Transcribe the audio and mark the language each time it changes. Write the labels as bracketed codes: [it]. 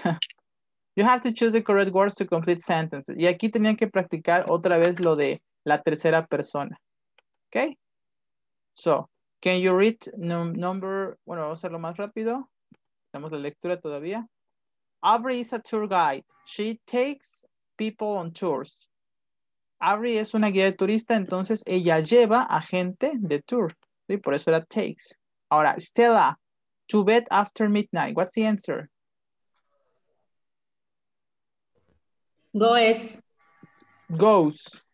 [en] 10, you have to choose the correct words to complete sentences. [es] Y aquí tenían que practicar otra vez lo de la tercera persona. [en] Okay? So, can you read number, [es] bueno, vamos a hacerlo más rápido. Tenemos la lectura todavía. [en] Aubrey is a tour guide. She takes people on tours. [es] Avery es una guía de turista, entonces ella lleva a gente de tour. ¿Sí? Por eso era [en] takes. [es] Ahora, [en] Stella, to bed after midnight. What's the answer? Goes. Goes.